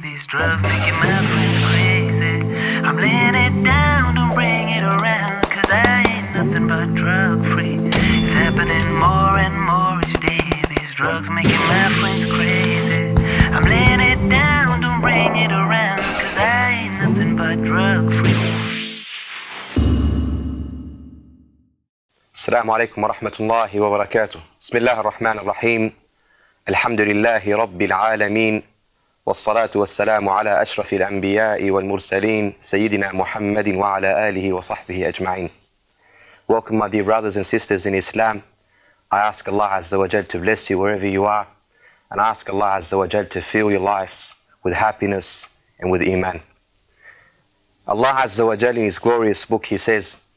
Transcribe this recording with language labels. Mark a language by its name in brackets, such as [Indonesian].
[English] drugs, thinking my friend's crazy. I'm laying it down to bring it around, cause I ain't nothing but drug free. It's happening more and more each day. These drugs making my friends crazy. I'm laying it down to bring it around, cause I ain't nothing but drug free. [Arabic] السلام عليكم ورحمة الله وبركاته. بسم الله الرحمن الرحيم. الحمد لله رب العالمين، والصلاة والسلام على أشرف الأنبياء والمرسلين سيدنا محمد وعلى آله وصحبه أجمعين. [English] Welcome my dear brothers and sisters in Islam. I ask Allah Azza wa Jal to bless you wherever you are, and I ask Allah Azza wa Jal to fill your lives with happiness and with iman. Allah Azza wa Jal in his glorious book he says,